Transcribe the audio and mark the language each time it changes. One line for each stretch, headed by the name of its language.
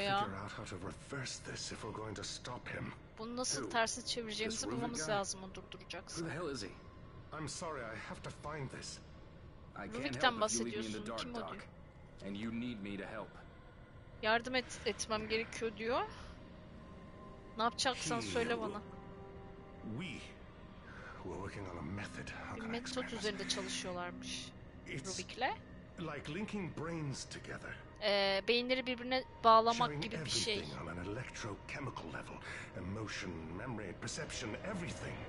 English: We need to figure out how to reverse this if we're going to stop him.
Turkish: Bunu nasıl tersi çevireceğimizi bulmamız lazım, onu durduracaksın.
English: Who the hell is he? I'm sorry, I have to find this. I can't help but you leave me in the dark, Doc. And you need me to help.
Turkish: Yardım etmem gerekiyor diyor. Ne yapacaksan söyle bana.
English: We're working on a method.
Turkish: Bir metot üzerinde çalışıyorlarmış. Rubik'le.
English: Like linking brains together.
Turkish: Beyinleri birbirine bağlamak gibi bir şey.
English: On an electrochemical level, emotion, memory, perception, everything.